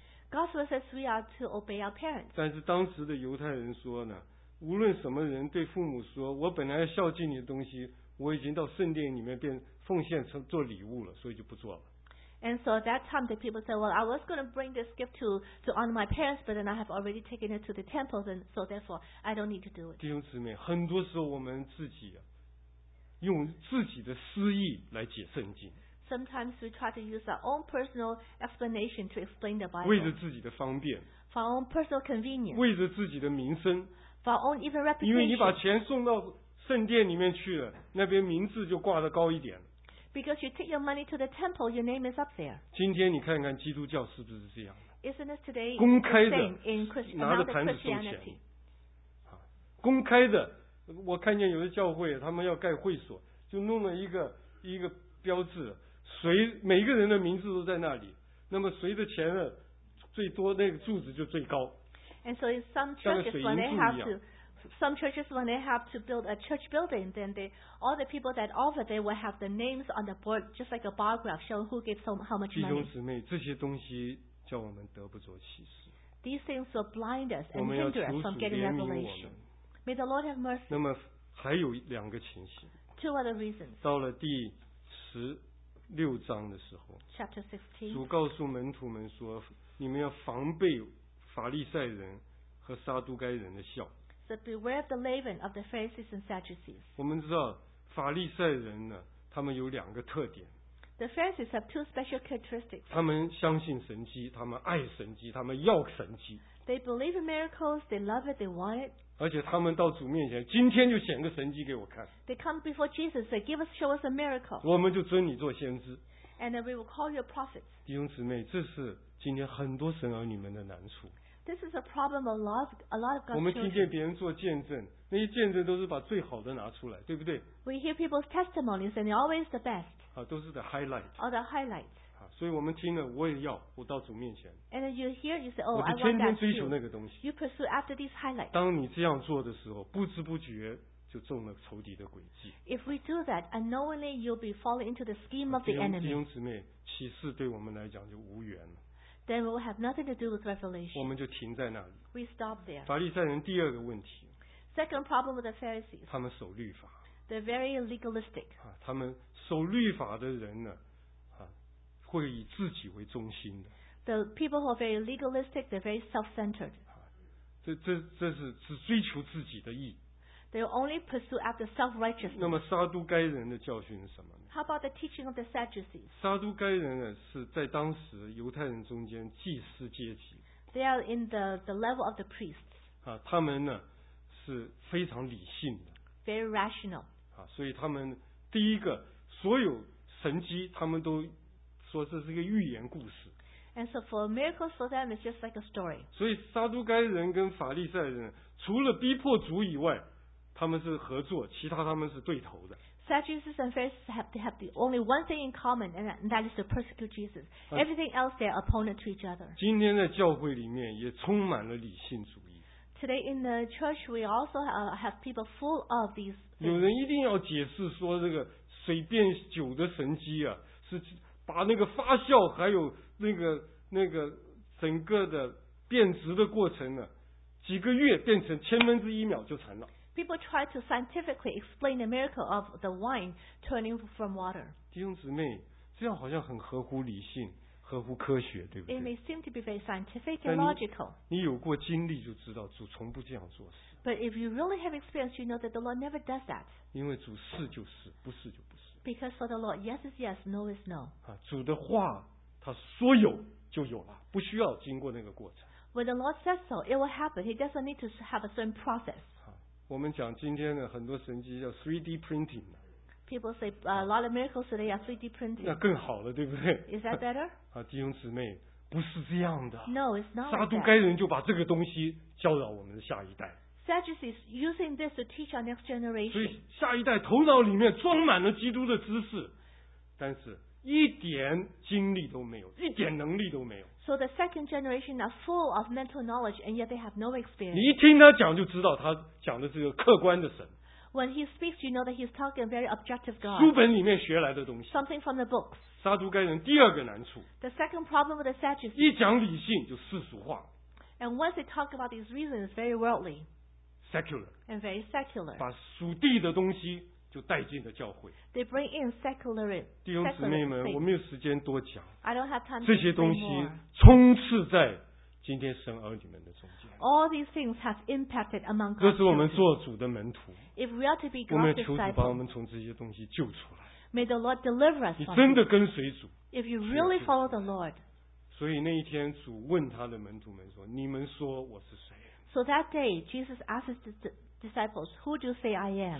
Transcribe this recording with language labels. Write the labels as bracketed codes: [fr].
[en] God's word says we are to obey our parents. [zh] 但是当时的犹太人说呢，无论什么人对父母说，我本来要孝敬你的东西，我已经到圣殿里面变奉献成做礼物了，所以就不做了。 [en] And so at that time, the people said, well, I was going to bring this gift to honor my parents, but then I have already taken it to the temples, and so therefore, I don't need to do it. [zh] 弟兄姊妹，很多时候我们自己啊，用自己的私意来解圣经。 [en] Sometimes we try to use our own personal explanation to explain the Bible. [zh] 为着自己的方便。 [en] For our own personal convenience. [zh] 为着自己的名声。 [en] For our own even reputation. [zh] 因为你把钱送到圣殿里面去了，那边名字就挂得高一点。 [en] Because you take your money to the temple, your name is up there. [zh] 今天你看看基督教是不是这样的？ [en] Isn't it today? [zh] 公开的 [en] in Christianity. [zh] 公开的，我看见有的教会他们要盖会所，就弄了一个标志，谁每一个人的名字都在那里，那么谁的钱呢最多，那个柱子就最高。 [en] And so in some churches when they have to. Some churches, when they have to build a church building, then all the people that offer, they will have the names on the board, just like a bar graph, showing who gave how much money. [zh] 弟兄姊妹，这些东西叫我们得不着启示。 [en] These things will blind us and hinder us from getting revelation. May the Lord have mercy. [zh] 那么还有两个情形。 [en] Two other reasons. [zh] 到了第十六章的时候。 [en] Chapter 16. [zh] 主告诉门徒们说，你们要防备法利赛人和撒都该人的笑。 [en] So beware of the leaven of the Pharisees and Sadducees. [zh] 我们知道法利赛人呢，他们有两个特点。 [en] The Pharisees have two special characteristics. [zh] 他们相信神迹，他们爱神迹，他们要神迹。 [en] They believe in miracles. They love it. They want it. [zh] 而且他们到主面前，今天就显个神迹给我看。 [en] They come before Jesus. They give us, show us a miracle. [zh] 我们就尊你做先知。 [en] And then we will call you a prophet. [zh] 弟兄姊妹，这是今天很多神儿女们的难处。 [en] This is a problem a lot of God's children. [zh] 我们听见别人做见证，那些见证都是把最好的拿出来，对不对？ [en] We hear people's testimonies and they're always the best. [zh] 啊，都是 [en] the highlight. All the highlights. [zh] 啊，所以我们听了，我也要，我到主面前。 [en] And you hear, you say, oh, I want that too. [zh] 我天天追求那个东西。 [en] You pursue after these highlights. [zh] 当你这样做的时候，不知不觉就中了仇敌的诡计。 [en] If we do that, unknowingly you'll be falling into the scheme of the enemy. [zh] 弟兄姊妹，启示对我们来讲就无缘了。 [en] Then we will have nothing to do with revelation. [zh] 我们就停在那里。 [en] We stop there. [zh] 法利赛人第二个问题。 [en] Second problem with the Pharisees. [zh] 他们守律法。 [en] They're very legalistic. [zh] 他们守律法的人呢，会以自己为中心的。 [en] The people who are very legalistic, they're very self-centered. [zh] 这是只追求自己的义。 [en] They will only pursue after self-righteousness. [zh] 那么撒都该人的教训是什么呢？ [en] How about the teaching of the Sadducees? [zh] 撒都该人呢，是在当时犹太人中间祭司阶级。 [en] They are in the level of the priests. [zh] 他们呢，是非常理性的。 [en] Very rational. [zh] 所以他们第一个，所有神迹，他们都说这是一个预言故事。 [en] And so for miracles for them, it's just like a story. [zh] 所以撒都该人跟法利赛人，除了逼迫主以外，他们是合作，其他他们是对头的。 [en] Sadducees and Pharisees have the only one thing in common, and that is to persecute Jesus. Everything else, they are opponent to each other. [zh] 今天在教会里面也充满了理性主义。 [en] Today in the church, we also have people full of these. [zh] 有人一定要解释说，这个水变酒的神迹啊，是把那个发酵还有那个整个的变质的过程呢，几个月变成千分之一秒就成了。 [en] People try to scientifically explain the miracle of the wine turning from water. [zh] 弟兄姊妹，这样好像很合乎理性，合乎科学，对不对？ [en] It may seem to be very scientific and logical. [zh] 你有过经历就知道，主从不这样做事。 [en] But if you really have experience, you know that the Lord never does that. [zh] 因为主是就是，不是就不是。 [en] Because for the Lord, yes is yes, no is no. [zh] 主的话，他说有就有了，不需要经过那个过程。 [en] When the Lord says so, it will happen. He doesn't need to have a certain process. [zh] 我们讲今天的很多神迹叫 3D printing。 [en] People say a lot of miracles today are 3D printing。 [zh] 那更好了，对不对？ [en] Is that better？ [zh] 弟兄姊妹，不是这样的。 [en] No, it's not. [zh] 撒都该人就把这个东西教导我们的下一代。 [en] Sadducees using this to teach our next generation。 [zh] 所以下一代头脑里面装满了基督的知识，但是一点经历都没有，一点能力都没有。 [en] So the second generation are full of mental knowledge and yet they have no experience. [zh] 你一听他讲就知道他讲的是个客观的神。 [en] When he speaks, you know that he's talking a very objective God. [zh] 书本里面学来的东西。 [en] Something from the books. [zh] 撒都该人第二个难处。 [en] The second problem with the Sadducees. [zh] 一讲理性就世俗化。 [en] And once they talk about these reasons, it's very worldly. Secular. And very secular. [zh] 把属地的东西就带进了教会。 [en] They bring in secularism. [zh] 弟兄姊妹们，我没有时间多讲。 [en] I don't have time. [zh] 这些东西充斥在今天神儿女们的中间。 [en] All these things have impacted among. [zh] 这是我们做主的门徒。 [en] If we are to be God's disciples, [zh] 我们求主帮我们从这些东西救出来。 [en] May the Lord deliver us. [zh] 你真的跟随主。 [en] If you really follow the Lord. [zh] 所以那一天，主问他的门徒们说：“你们说我是谁？” [en] So that day, Jesus asked the disciples, "Who do you say I am?"